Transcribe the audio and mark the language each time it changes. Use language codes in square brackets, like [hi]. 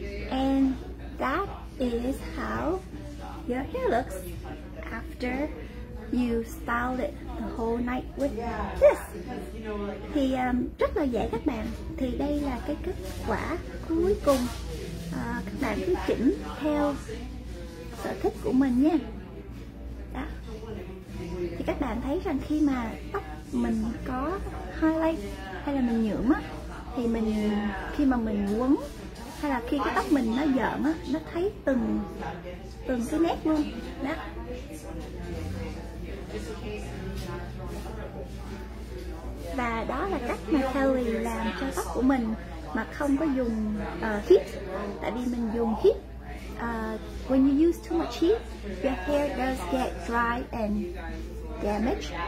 [en] And that is how your hair looks after you styled it the whole night with this. [vi] Thì rất là dễ các bạn. Thì đây là cái kết quả cuối cùng. Các bạn cứ chỉnh theo sở thích của mình nha. Đó. Thì các bạn thấy rằng khi mà tóc mình có highlight hay là mình nhuộm á, thì mình khi mà mình quấn hay là khi cái tóc mình nó giỡn á, nó thấy từng cái nét luôn đó. Và đó là cách mà Kelly làm cho tóc của mình mà không có dùng heat. Tại vì mình dùng heat, [en] when you use too much heat, your hair does get dry and damaged.